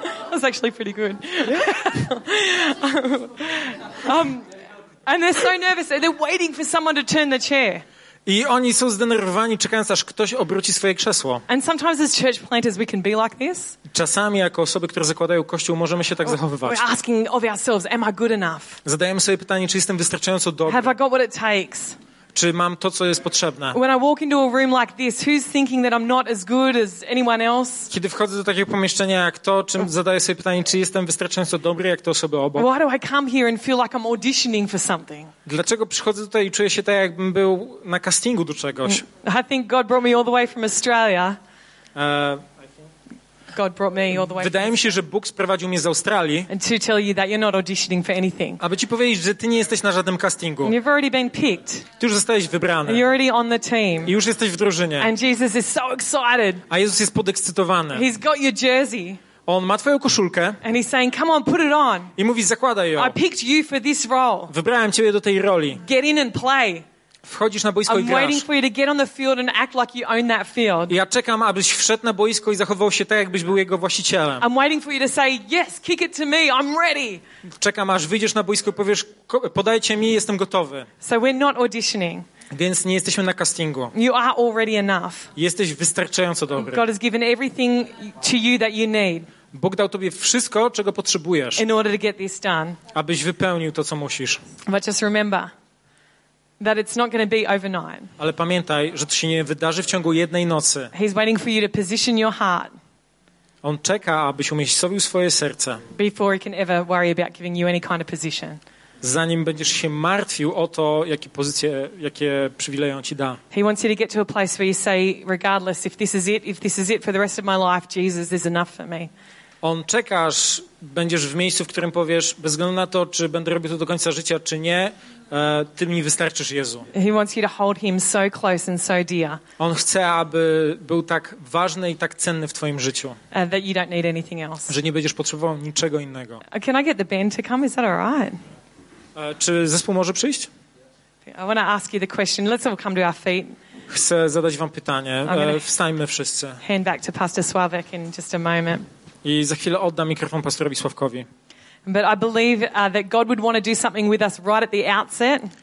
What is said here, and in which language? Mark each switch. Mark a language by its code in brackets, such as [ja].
[en] That's actually pretty good. And they're so nervous, they're waiting for someone to turn the chair. [pl] I oni są zdenerwowani, czekając, aż ktoś obróci swoje krzesło. [en] And sometimes as church planters we can be like this. [pl] Czasami jako osoby, które zakładają kościół, możemy się tak zachowywać. [en] We're asking of ourselves, am I good enough? [pl] Zadajemy sobie pytanie, czy jestem wystarczająco dobry? [en] Have I got what it takes? [pl] Czy mam to, co jest potrzebne? [en] When I walk into a room like this, who's thinking that I'm not as good as anyone else? [pl] Kiedy wchodzę do takiego pomieszczenia jak to, czym zadaję sobie pytanie, czy jestem wystarczająco dobry jak te osoby obok? [en] Why do I come here and feel like I'm auditioning for something? [pl] Dlaczego przychodzę tutaj i czuję się tak, jakbym był na castingu do czegoś? [en] I think God brought me all the way from Australia. God brought me all the way. [pl] Wydaje mi się, że Bóg sprowadził mnie z Australii. [en] And to tell you that you're not auditioning for anything. [pl] Aby ci powiedzieć, że ty nie jesteś na żadnym castingu. [en] And you've already been picked. [pl] Ty już zostałeś wybrany. [en] You're already on the team. [pl] I już jesteś w drużynie. [en] And Jesus is so excited. [pl] A Jezus jest podekscytowany. [en] He's got your jersey. [pl] On ma twoją koszulkę. [en] And he's saying, "Come on, put it on." [pl] I mówi, zakładaj ją. [en] I picked you for this role. [pl] Wybrałem ciebie do tej roli. [en] Get in and play. [pl] Wchodzisz na boisko [en] I'm waiting for you to get on the field and act like you own that field. [pl] Ja czekam, abyś wszedł na boisko i zachował się tak, jakbyś był jego właścicielem. [en] I'm waiting for you to say yes, kick it to me, I'm ready. [pl] Czekam, aż wyjdziesz na boisko i powiesz, podajcie mi, jestem gotowy. [en] So we're not auditioning. [pl] Więc nie jesteśmy na castingu. [en] You are already enough. [pl] Jesteś wystarczająco dobry. [en] God has given everything to you that you need. [pl] Bóg dał tobie wszystko, czego potrzebujesz. [en] In order to get this done. [pl] Abyś wypełnił to, co musisz. [en] But just remember. That it's not going to be overnight. [pl] Ale pamiętaj, że to się nie wydarzy w ciągu jednej nocy. [en] He's waiting for you to position your heart. [pl] On czeka, abyś umiejscowił swoje serce. [en] Before he can ever worry about giving you any kind of position. [pl] Zanim będziesz się martwił o to, jakie pozycje, jakie przywileje on ci da. [en] He wants you to get to a place where you say, regardless, if this is it for the rest of my life, Jesus is enough for me. [pl] On czeka, aż będziesz w miejscu, w którym powiesz, bez względu na to, czy będę robił to do końca życia, czy nie. Ty mi wystarczysz, Jezu. [en] He wants you to hold him so close and so dear. [pl] On chce, aby był tak ważny i tak cenny w twoim życiu. [en] That you don't need anything else. [pl] Że nie będziesz potrzebował niczego innego. [en] Can I get the band to come? Is that all right? [pl] Czy zespół może przyjść? [en] I want to ask you the question. Let's all come to our feet. [pl] Chcę zadać wam pytanie. Wstańmy wszyscy. [en] Hand back to Pastor Sławek in just a moment. [pl] I za chwilę oddam mikrofon pastorowi Sławkowi. [en] But I believe that God would want to do something with us right at the outset.